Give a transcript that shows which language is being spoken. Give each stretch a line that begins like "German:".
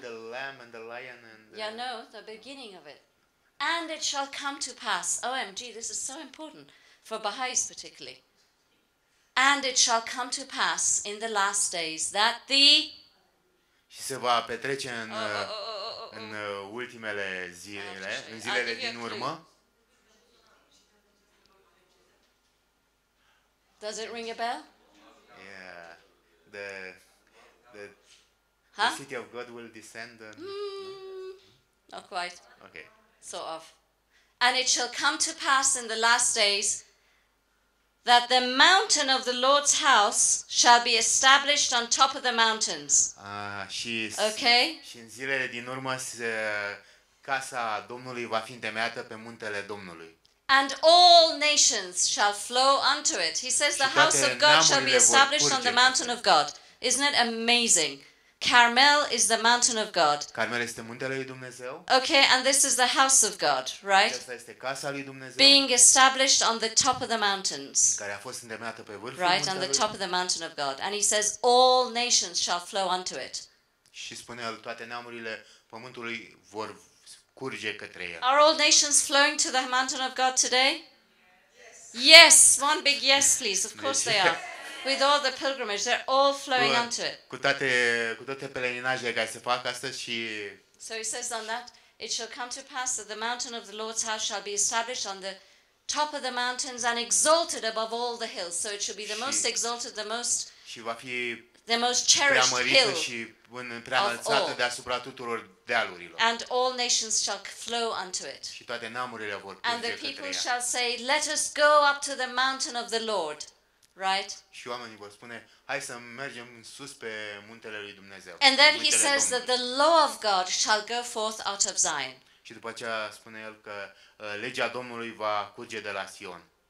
English: The lamb and the lion and the... Yeah, no, the beginning of it. And it shall come to pass. OMG, this is so important for Baha'is particularly. And it shall come to pass in the last days that the...
Romanian: Și se va petrece în... În ultimele zile, în zilele din urmă.
English: Does it ring a bell? Yeah. The city of God will descend on... Not quite. Okay. Sort of. And it shall come to pass in the last days that the mountain of the Lord's house shall be established on top of the mountains.
Romanian: Și în zilele din urmă casa Domnului va fi întemeiată pe muntele Domnului.
English: And all nations shall flow unto it. He says the house of God shall be established on the mountain of God. Isn't it amazing? Carmel is the mountain of God.
Romanian: Carmel este muntele lui Dumnezeu.
English: Okay, and this is the house of God, right?
Romanian: Aceasta este casa lui Dumnezeu.
English: Being established on the top of the mountains.
Romanian: Care a fost îndemnată pe vârful
English: right,
Romanian: muntelui.
English: Right, on the top of the mountain of God. And he says, all nations shall flow unto it.
Romanian: Și spune el, toate neamurile pământului vor curge către el.
English: Are all nations flowing to the mountain of God today? Yes. Yes, one big yes, please. Of course they are. With all the pilgrimage, they're all flowing onto it.
Romanian: Cu toate pelerinajele care se fac astăzi și...
English: So he says on that, it shall come to pass that the mountain of the Lord's house shall be established on the top of the mountains and exalted above all the hills. So it shall be the most exalted, the most...
Romanian: Și va fi
English: the most cherished hill
Romanian: și preamărțată deasupra tuturor dealurilor.
English: And all nations shall flow unto it.
Romanian: Și toate neamurile vor curge.
English: And the people shall say, let us go up to the mountain of the Lord. Right.
Romanian: Și oamenii vor spune, hai să mergem sus pe muntele lui Dumnezeu.
English: And then he says that the law of God shall go forth out of Zion.
Romanian: Și după aceea spune el că legea Domnului va curge de la Sion.